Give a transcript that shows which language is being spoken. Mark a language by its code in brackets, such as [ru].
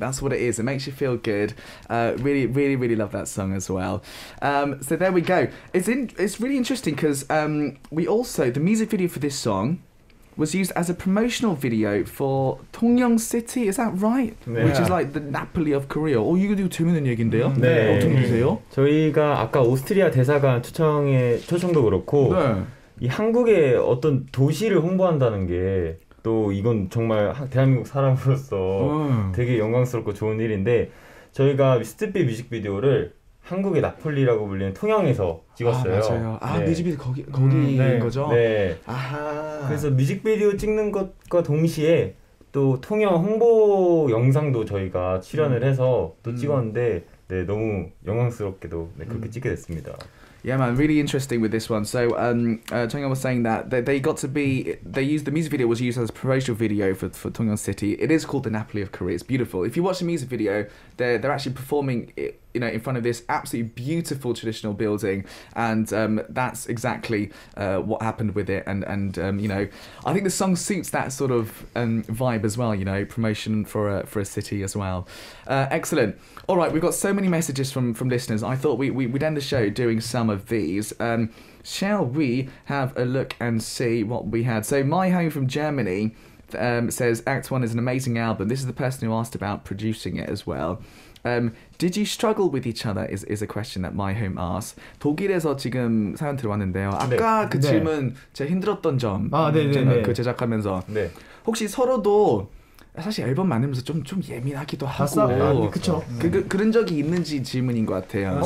[en] That's what it is. It makes you feel good. Really, really, really love that song as well. So there we go. It's really interesting because we also, the music video for this song was used as a promotional video for Tongyeong City, is that right? 네. Which is like the Napoli of Korea. [ko] Oh, 이거 되게 재밌는 얘긴데요. 네. 어떻게 보세요? 저희가 아까 오스트리아 대사관 초청도 그렇고 네. 이 한국의 어떤 도시를 홍보한다는 게 또 이건 정말 대한민국 사람으로서 되게 영광스럽고 좋은 일인데 저희가 스티피 뮤직비디오를 한국의 나폴리라고 불리는 통영에서 찍었어요. 아, 맞아요. 아, 네. 뮤직비디오 거기인 거죠? 네. 아하. 그래서 뮤직비디오 찍는 것과 동시에 또 통영 홍보 영상도 저희가 출연을 해서 또 찍었는데 네, 너무 영광스럽게도 네, 그렇게 찍게 됐습니다. [en] Yeah, man, really interesting with this one. So, Tongyeong was saying that the music video was used as a promotional video for Tongyeong City. It is called the Napoli of Korea. It's beautiful. If you watch the music video, they're actually performing it, you know, in front of this absolutely beautiful traditional building, and that's exactly what happened with it. And you know, I think the song suits that sort of vibe as well. You know, promotion for a city as well. Excellent. All right, we've got so many messages from listeners. I thought we'd end the show doing some of these. Shall we have a look and see what we had? So My Home from Germany says Act One is an amazing album. This is the person who asked about producing it as well. Did you struggle with each other? Is a question that My Home asks. [ko] 독일에서 지금 사연 들어왔는데요. 아까 네. 그 질문 네. 제가 힘들었던 점. 아, 네네네. 그 제작하면서. 네. 혹시 서로도 사실 앨범 만들면서 좀 예민하기도 하고 아, 그렇죠. 그런 적이 있는지 질문인 것 같아요.